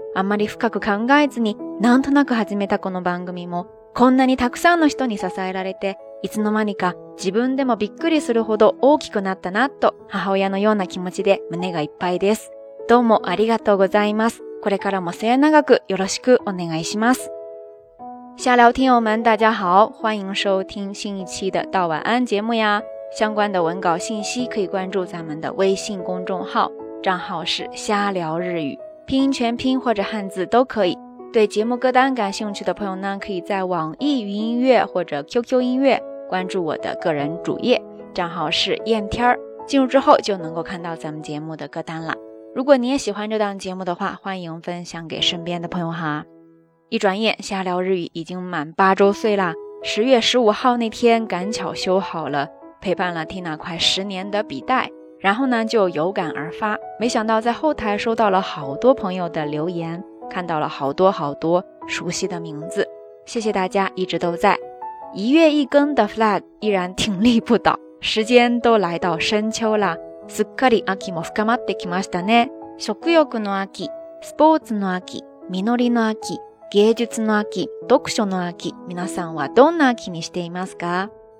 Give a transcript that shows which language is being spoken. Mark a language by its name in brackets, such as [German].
[Japanese] あんまり深く考えずに、なんとなく始めたこの番組も、こんなにたくさんの人に支えられて、いつの間にか自分でもびっくりするほど大きくなったなと、母親のような気持ちで胸がいっぱいです。どうもありがとうございます。これからも末永くよろしくお願いします。 [Chinese] 下聊天友们大家好、欢迎收听新一期的道晚安节目呀。相关的文稿信息可以关注咱们的微信公众号，账号是瞎聊日语，拼音全拼或者汉字都可以。对节目歌单感兴趣的朋友呢，可以在网易云音乐或者 QQ 音乐关注我的个人主页，账号是燕天，进入之后就能够看到咱们节目的歌单了。如果你也喜欢这档节目的话，欢迎分享给身边的朋友哈。一转眼瞎聊日语已经满八周岁啦，10月15号那天赶巧修好了陪伴了 Tina 快十年的笔袋，然后呢就有感而发，没想到在后台收到了好多朋友的留言，看到了好多好多熟悉的名字，谢谢大家一直都在。一月一更的 flag 依然挺立不倒，时间都来到深秋啦。 [Japanese] すっかり秋も深まってきましたね。食欲の秋、スポーツの秋、実りの秋、芸術の秋、読書の秋、皆さんはどんな秋にしていますか？